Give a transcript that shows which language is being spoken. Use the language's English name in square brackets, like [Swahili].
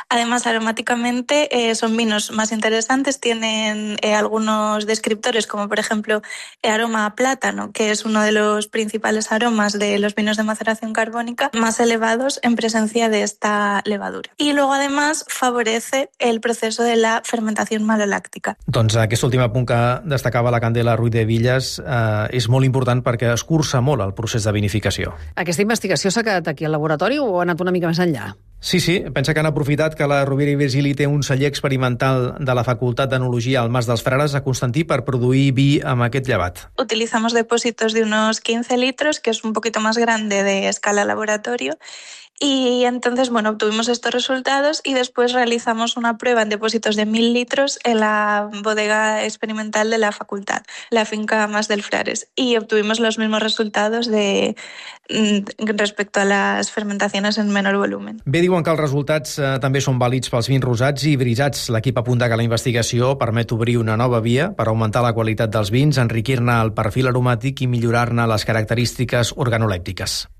[Spanish] Además, aromáticamente son vinos más interesantes, tienen algunos descriptores, como por ejemplo aroma a plátano, que es uno de los principales aromas de los vinos de maceración carbónica, más elevados en presencia de esta levadura. I luego, además, favorece el proceso de la fermentación malolàctica. [Catalan] Doncs aquest últim punt que destacava la Candela Ruiz de Villas és molt important perquè escurça molt el procés de vinificació. Aquesta investigació s'ha quedat aquí al laboratori o ha anat una mica més enllà? Sí, sí. Pensa que han aprofitat que la Rovira i Virgili té un celler experimental de la Facultat d'Enologia al Mas dels Frares a Constantí per produir vi amb aquest llevat. [Spanish] Utilizamos depósitos de unos 15 litros, que es un poquito más grande de escala laboratorio, y entonces, bueno, obtuvimos estos resultados y después realizamos una prueba en depósitos de 1000 litros en la bodega experimental de la facultad, la finca Mas del Frares, y obtuvimos los mismos resultados de respecto a las fermentaciones en menor volumen. [Catalan] Bé, diuen que els resultats també són vàlids pels vins rosats i brisats. L'equip apunta que la investigació permet obrir una nova via per augmentar la qualitat dels vins, enriquir-ne el perfil aromàtic i millorar-ne les característiques organolèptiques.